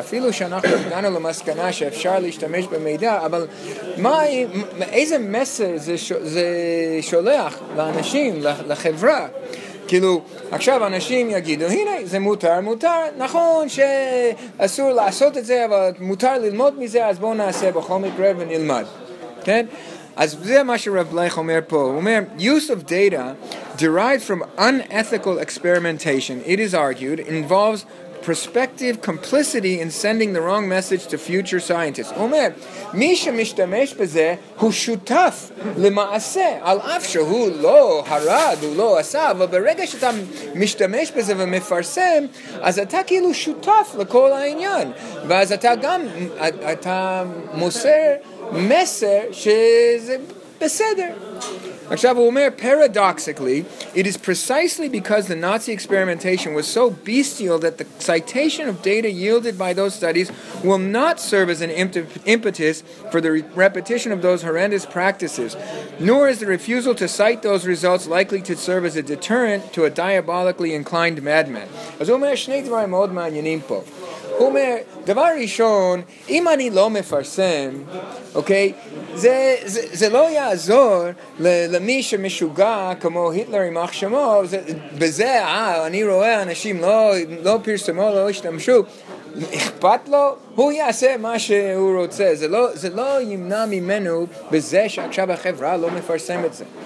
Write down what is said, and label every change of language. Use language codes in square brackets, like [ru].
[he] אפילו שאנחנו הגענו למסקנה שאפשר להשתמש במידע, אבל איזה מסר זה שולח לאנשים, לחברה? כאילו, עכשיו אנשים יגידו, הנה, זה מותר, מותר, נכון שאסור לעשות את זה, אבל מותר ללמוד מזה, אז בואו נעשה בכל מקרה ונלמד. כן? אז זה מה שרב בלייך אומר פה. הוא אומר, [en] use of data derived from unethical experimentation, it is argued, involves prospective complicity in sending the wrong message to future scientists. [he] הוא אומר, מי שמשתמש בזה הוא שותף למעשה, על אף שהוא לא הרג, הוא לא עשה, אבל ברגע שאתה משתמש בזה ומפרסם, אז אתה כאילו שותף לכל העניין, ואז אתה גם אתה מוסר מסר שזה בסדר. עכשיו הוא אומר, [en] paradoxically, it is precisely because the Nazi experimentation was so bestial that the citation of data yielded by those studies will not serve as an impetus for the repetition of those horrendous practices, nor is the refusal to cite those results likely to serve as a deterrent to a diabolically inclined madman. [he] אז הוא אומר, שני דברים מאוד מעניינים פה. הוא אומר, דבר ראשון, אם אני לא מפרסם, אוקיי, זה לא יעזור למי שמשוגע כמו היטלר עם אח שמו, אני רואה אנשים לא פרסמו, לא השתמשו, אכפת לו, הוא יעשה מה שהוא רוצה, זה לא ימנע ממנו בזה שעכשיו החברה לא מפרסם את זה.